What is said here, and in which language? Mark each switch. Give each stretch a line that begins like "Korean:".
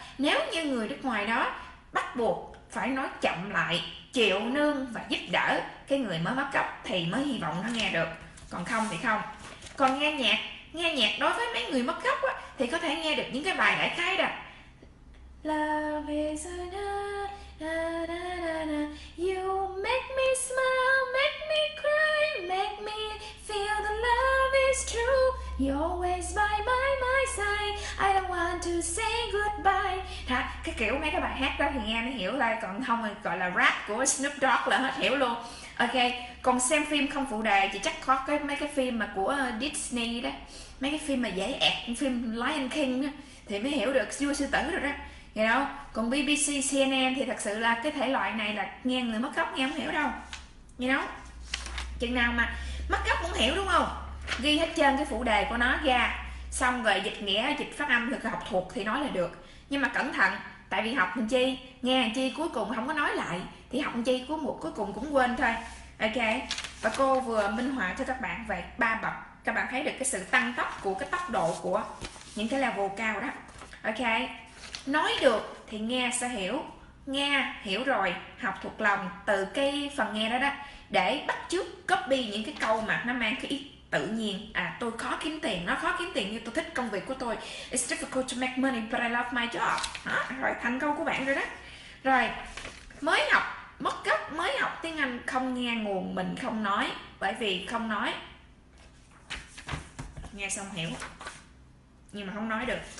Vietnamese: Nếu như người nước ngoài đó bắt buộc phải nói chậm lại, chịu nương và giúp đỡ cái người mới bắt gốc thì mới hy vọng nó nghe được. Còn không thì không. Còn nghe nhạc, nghe nhạc đối với mấy người mất gốc á, thì có thể nghe được những cái bài đại khái đó.
English: Love is a na, na, na, na, na. You make me smile, make me cry, make me feel the love is true. You're always by my, my side, I don't want to say goodbye.
Vietnamese: Thật, cái kiểu mấy cái bài hát đó thì nghe nó hiểu lại, còn không thì gọi là rap của Snoop Dogg là hết hiểu luôn. Ok, còn xem phim không phụ đề thì chắc có cái mấy cái phim mà của Disney đó, mấy cái phim mà dễ ẹt, phim Lion King đó, thì mới hiểu được vua sư tử rồi đó,
English: you know.
Vietnamese: Còn BBC, CNN thì thật sự là cái thể loại này là nghe người mất gốc nghe không hiểu đâu,
English: you know.
Vietnamese: Chừng nào mà mất gốc cũng hiểu đúng không? Ghi hết trơn cái phụ đề của nó ra, xong rồi dịch nghĩa, dịch phát âm được, học thuộc thì nói là được. Nhưng mà cẩn thận, tại vì học làm chi, nghe làm chi, cuối cùng không có nói lại thì học làm chi cuối cùng cũng quên thôi. Ok, và cô vừa minh họa cho các bạn về ba bậc, các bạn thấy được cái sự tăng tốc của cái tốc độ của những cái level cao đó. Ok, nói được thì nghe sẽ hiểu, nghe hiểu rồi học thuộc lòng từ cái phần nghe đó đó, để bắt chước copy những cái câu mà nó mang cái ý tự nhiên. À, tôi khó kiếm tiền, nó khó kiếm tiền nhưng tôi thích công việc của tôi.
English: It's difficult to make money but I love my job.
Vietnamese: Đó, rồi thành câu của bạn rồi đó. Rồi, mới học mất gốc, mới học tiếng Anh không nghe nguồn mình không nói, bởi vì không nói nghe xong hiểu nhưng mà không nói được.